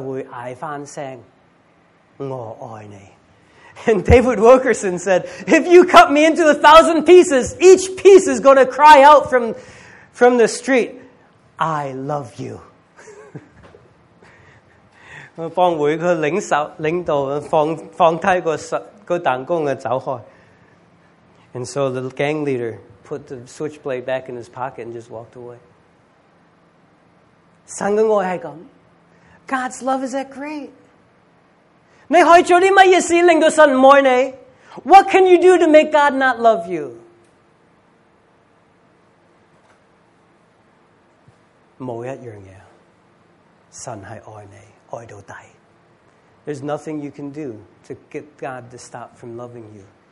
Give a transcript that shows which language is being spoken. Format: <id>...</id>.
<zh>大卫克斯说,你斩到我一嚿嚿,每一嚿在地下就会喊一声,我爱你.</zh> <en>And David Wilkerson said, if you cut me into 1,000 pieces, each piece is going to cry out from the street, I love you.</en> <zh>帮会的领导放下弹弓走开.</zh> <en>And so the gang leader put the switchblade back in his pocket and just walked away.</en> <zh>神的爱是这样,</zh> <en>God's love is that great.</en> <zh>你可以做什么事令到神不爱你?</zh> <en>What can you do to make God not love you?</en> <zh>没有一样东西, 神是爱你,爱到底.</zh> <en>There's nothing you can do to get God to stop from loving you.</en>